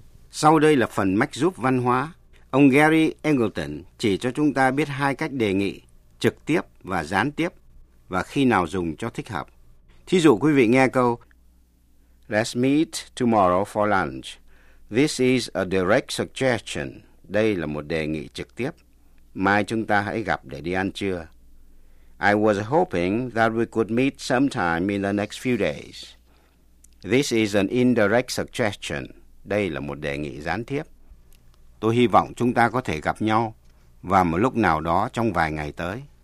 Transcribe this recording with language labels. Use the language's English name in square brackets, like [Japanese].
[Vietnamese] Sau đây là phần mách giúp văn hóa. Ông Gary Angleton chỉ cho chúng ta biết hai cách đề nghị, trực tiếp và gián tiếp, và khi nào dùng cho thích hợp. Thí dụ quý vị nghe câu [English] Let's meet tomorrow for lunch. This is a direct suggestion. [Vietnamese] Đây là một đề nghị trực tiếp. Mai chúng ta hãy gặp để đi ăn trưa. [English] I was hoping that we could meet sometime in the next few days. This is an indirect suggestion. [Vietnamese] Đây là một đề nghị gián tiếp. Tôi hy vọng chúng ta có thể gặp nhau vào một lúc nào đó trong vài ngày tới.